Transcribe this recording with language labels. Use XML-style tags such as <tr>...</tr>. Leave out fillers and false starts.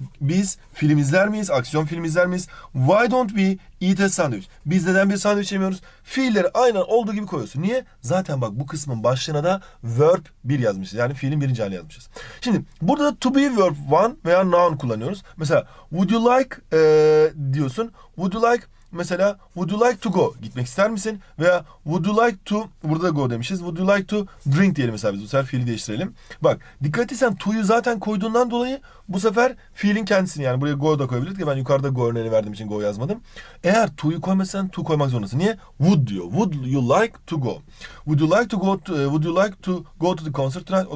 <tr>Biz film izler miyiz? Aksiyon film izler miyiz?</tr> <en>Why don't we eat a sandwich?</en> <tr>Biz neden bir sandviç yemiyoruz? Fiilleri aynen olduğu gibi koyuyorsun. Niye? Zaten bak bu kısmın başlığına da verb 1 yazmışız. Yani fiilin birinci hali yazmışız. Şimdi burada da to be verb 1 veya noun kullanıyoruz. Mesela</tr> <en>would you like</en> <tr>diyorsun.</tr> <en>Would you like mesela would you like to go?</en> <tr>Gitmek ister misin? Veya</tr> <en>would you like to,</en> <tr>burada go demişiz.</tr> <en>Would you like to drink</en> <tr>diyelim mesela biz. Bu sefer fiili değiştirelim. Bak dikkat etsen to'yu zaten koyduğundan dolayı bu sefer fiilin kendisini yani buraya go da koyabiliriz ki ben yukarıda go örneğini verdiğim için go yazmadım. Eğer to'yu koymazsan to koymak zorundasın. Niye? Would diyor.</tr> <en>Would you like to go? Would you like to go to, would you like to go to the concert tonight?</en>